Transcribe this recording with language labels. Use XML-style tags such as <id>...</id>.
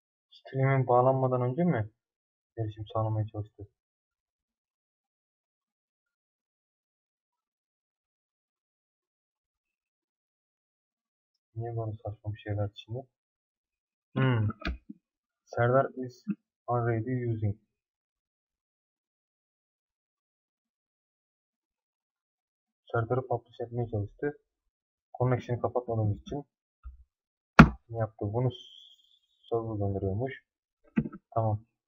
<tr>Stream'in bağlanmadan önce mi erişim sağlamaya çalıştı? Niye böyle saçma bir şeyler şimdi?</tr> <en>Server is already using.</en> <tr>Server'ı publish etmeye çalıştı. Connection'ı kapatmadığımız için ne yaptı? Bunu server gönderiyormuş. Tamam.</tr>